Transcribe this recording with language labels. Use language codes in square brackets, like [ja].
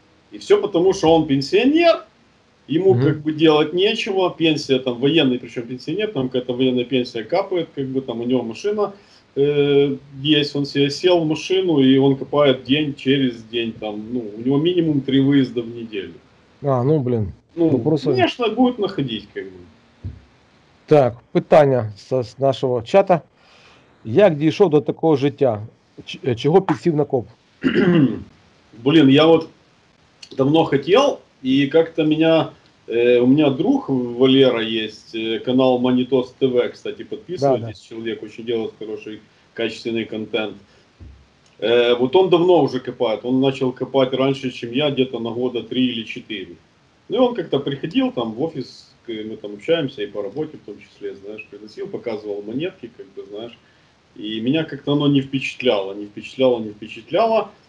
[ru] И все потому, что он пенсионер, ему как бы делать нечего, пенсия там военный, причем пенсионер, там какая-то военная пенсия капает, как бы там у него машина есть, он себе сел в машину, и он копает день через день, там, ну, у него минимум 3 выезда в неделю. А, ну блин. Ну, вопросы... конечно, будет находить, как бы. Так, питание с нашего чата. [uk] Як дійшов до такого життя? Чого підсів на коп? Блін, я от давно хотів, і як-то мене, у мене друг Валера є, канал Манітос ТВ, кстати, підписуйтесь, да, да. Чоловік дуже робить хороший, качественний контент. [ru] Вот он давно уже копает, он начал копать раньше, чем я, где-то на года 3 или 4. Ну и он как-то приходил там в офис, мы там общаемся и по работе в том числе, знаешь, приносил, показывал монетки, как бы, знаешь. И меня как-то оно не впечатляло, не впечатляло, не впечатляло.